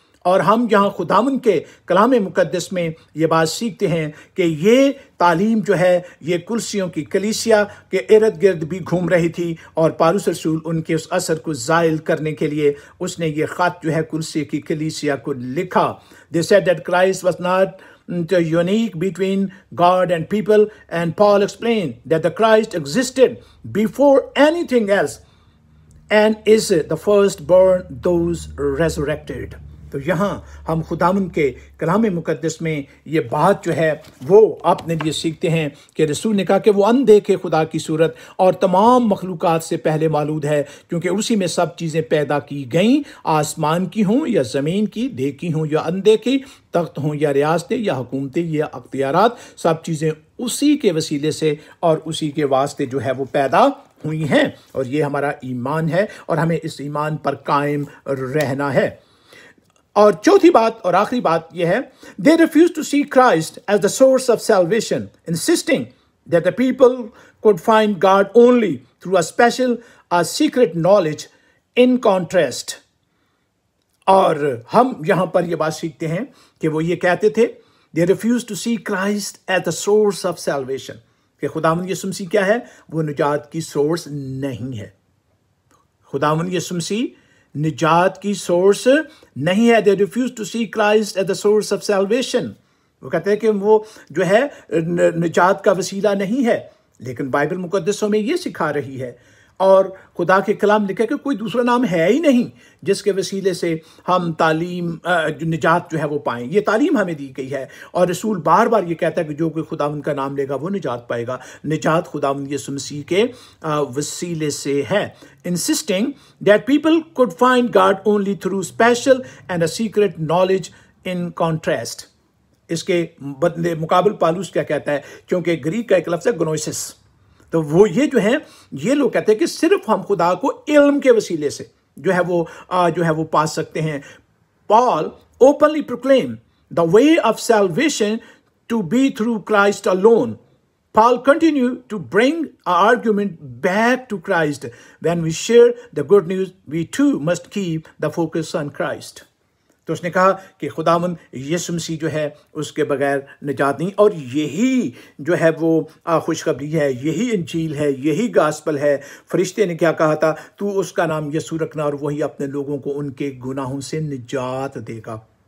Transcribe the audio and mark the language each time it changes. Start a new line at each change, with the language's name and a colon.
Urdu: اور ہم یہاں خداوند کے کلام مقدس میں یہ بات سیکھتے ہیں کہ یہ تعلیم جو ہے یہ کلیسیوں کی کلیسیا کے ارد گرد بھی گھوم رہی تھی, اور پالوس رسول ان کے اس اثر کو زائل کرنے کے لیے اس نے یہ خط جو ہے کلیسیا کی کلیسیا کو لکھا.
English: They said that Christ was not too unique between God and people, and Paul explain that the Christ existed before anything else and is the firstborn those resurrected.
Urdu: تو یہاں ہم خداوند کے کلام مقدس میں یہ بات جو ہے وہ اپنے لیے سیکھتے ہیں کہ رسول نے کہا کہ وہ اندھے کے خدا کی صورت اور تمام مخلوقات سے پہلے مولود ہے, کیونکہ اسی میں سب چیزیں پیدا کی گئیں, آسمان کی ہوں یا زمین کی, دیکھی ہوں یا اندھے کی, تخت ہوں یا ریاستیں یا حکومتیں یا اختیارات, سب چیزیں اسی کے وسیلے سے اور اسی کے واسطے جو ہے وہ پیدا ہوئی ہیں. اور یہ ہمارا ایمان ہے, اور ہمیں اس ایمان پر قائم رہنا ہے. اور چوتھی بات اور آخری بات یہ ہے,
English: They refuse to see Christ as the source of salvation, insisting that the people could find God only through a special secret knowledge in contrast.
Urdu: اور ہم یہاں پر یہ بات سیکھتے ہیں کہ وہ یہ کہتے تھے,
English: they refuse to see Christ as the source of salvation,
Urdu: کہ خداوند یسوع مسیح کیا ہے, وہ نجات کی سورس نہیں ہے. خداوند یسوع مسیح نجات کی سورس نہیں ہے.
English: They refuse to see Christ at the source of salvation.
Urdu: وہ کہتے ہیں کہ وہ جو ہے نجات کا وسیلہ نہیں ہے, لیکن بائبل مقدسوں میں یہ سکھا رہی ہے, اور خدا کے کلام لکھے کہ کوئی دوسرا نام ہے ہی نہیں جس کے وسیلے سے ہم تعلیم نجات جو ہے وہ پائیں. یہ تعلیم ہمیں دی گئی ہے اور رسول بار بار یہ کہتا ہے کہ جو کوئی خداوند کا نام لے گا وہ نجات پائے گا. نجات خداوند یسوع مسیح کے وسیلے سے ہے.
English: Insisting that people could find God only through special and a secret knowledge in contrast.
Urdu: اس کے بدلے مقابل پالوس کیا کہتا ہے, کیونکہ گریک کا ایک لفظ ہے گنوئسس, تو وہ یہ جو ہیں یہ لوگ کہتے ہیں کہ صرف ہم خدا کو علم کے وسیلے سے جو ہے وہ پا سکتے ہیں.
English: Paul openly proclaim the way of salvation to be through Christ alone. Paul continue to bring argument back to Christ. When we share the good news we too must keep the focus on Christ.
Urdu: تو اس نے کہا کہ خداوند یسوع مسیح جو ہے اس کے بغیر نجات نہیں, اور یہی جو ہے وہ خوشخبری ہے, یہی انجیل ہے, یہی گاسپل ہے. فرشتے نے کیا کہا تھا, تو اس کا نام یسوع رکھنا اور وہی اپنے لوگوں کو ان کے گناہوں سے نجات دے گا.